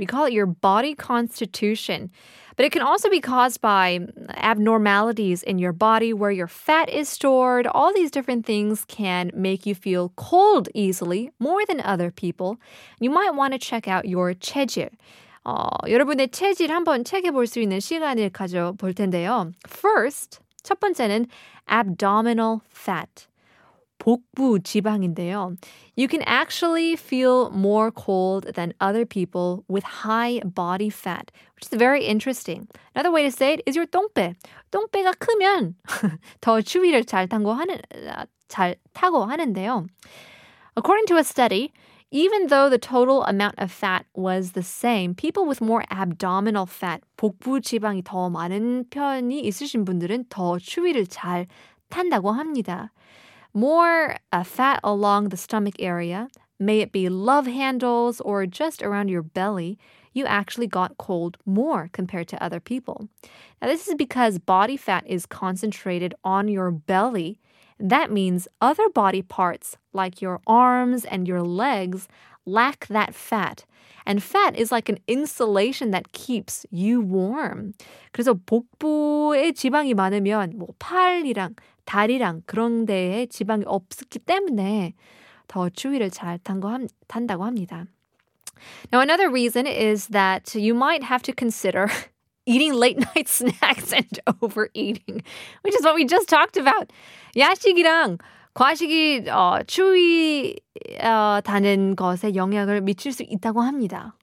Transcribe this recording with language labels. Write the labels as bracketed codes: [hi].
[en] We call it your body constitution. But it can also be caused by abnormalities in your body, where your fat is stored. All these different things can make you feel cold easily, more than other people. You might want to check out your 체질. [ko] 여러분의 체질 한번 체크해볼 수 있는 시간을 가져볼 텐데요. [en] First, [ko] 첫 번째는 [en] abdominal fat. [ko] 복부 지방인데요. [en] You can actually feel more cold than other people with high body fat, which is very interesting. Another way to say it is your 똥배. [ko] 똥배가 크면 더 추위를 잘 타고 하는데요. [en] According to a study, even though the total amount of fat was the same, people with more abdominal fat, [ko] 복부 지방이 더 많은 편이 있으신 분들은 더 추위를 잘 탄다고 합니다. [en] More fat along the stomach area, may it be love handles or just around your belly, you actually got cold more compared to other people. Now, this is because body fat is concentrated on your belly. That means other body parts, like your arms and your legs, lack that fat. And fat is like an insulation that keeps you warm. [ko] 그래서 복부에 지방이 많으면 뭐 팔이랑 다리랑 그런 데에 지방이 없기 때문에 더 추위를 잘 탄다고 합니다. [en] Now another reason is that you might have to consider eating late night snacks and overeating, which is what we just talked about. [ko] 야식이랑 과식이 추위 타는 것에 영향을 미칠 수 있다고 합니다.